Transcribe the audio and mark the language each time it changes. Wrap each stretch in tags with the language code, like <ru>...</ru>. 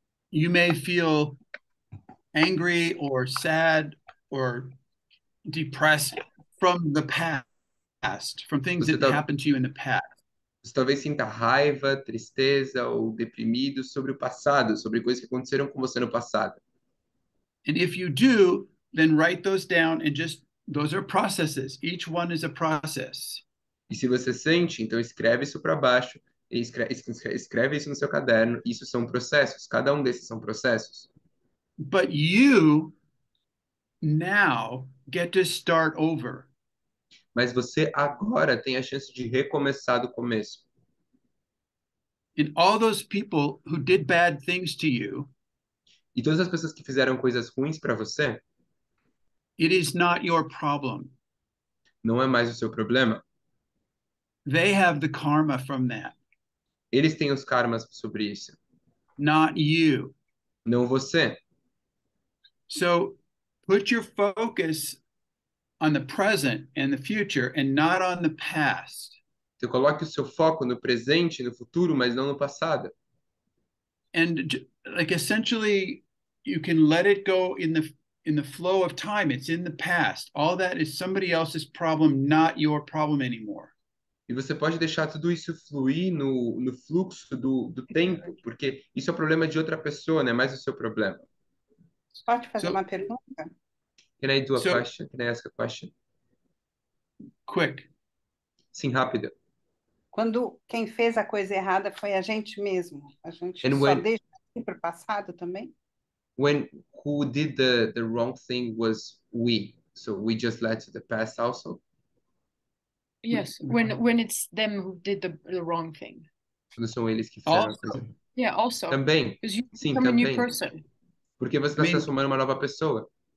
<en>You may feel angry or sad or depressed from the past, from things that happened to you in the past.</en> <pt>Você talvez sinta raiva, tristeza ou deprimido sobre o passado, sobre coisas que aconteceram com você no passado.</pt> <en>And if you do, then write those down and just, those are processes. Each one is a process.</en> <pt>E se você sente, então escreve isso para baixo, escreve isso no seu caderno. Isso são processos, cada um desses são processos.</pt> <en>But you now get to start over.</en> <pt>Mas você agora tem a chance de recomeçar do começo.</pt> <en>And all those people who did bad things to you,</en> <pt>e todas as pessoas que fizeram coisas ruins para você,</pt> <en>it is not your problem.</en> <pt>Não é mais o seu problema.</pt> <en>They have the karma from that.</en> <pt>Eles têm os karmas sobre isso.</pt> <en>Not you.</en> <pt>Não você.</pt> <en>So, put your focus on the present and the future and not on the past.</en> <pt>Então, coloque o seu foco no presente, no futuro, mas não no passado.</pt> <en>And, like, essentially, you can let it go in the flow of time. It's in the past. All that is somebody else's problem, not your problem anymore.</en> <pt>E você pode deixar tudo isso fluir no fluxo do tempo, porque isso é o problema de outra pessoa, não é mais o seu problema. Pode fazer uma pergunta?</pt> <en>Can I do a question? Can I ask a question? Quick.</en> <pt>Sim, rápido. Quando quem fez a coisa errada foi a gente mesmo. A gente só deixa assim para o passado também?</pt> <en>When who did the wrong thing was we. So we just let the past also. Yes, when it's them who did the wrong thing.</en> <pt>Quando são eles que fizeram a coisa.</pt> <en>Yeah, also.</en> <pt>Também.</pt> <en>Because you</en> <pt>Sim,</pt> <en>become</en> <pt>também.</pt> <en>A new person.</en> <pt>Porque você está se transformando em uma nova pessoa.</pt>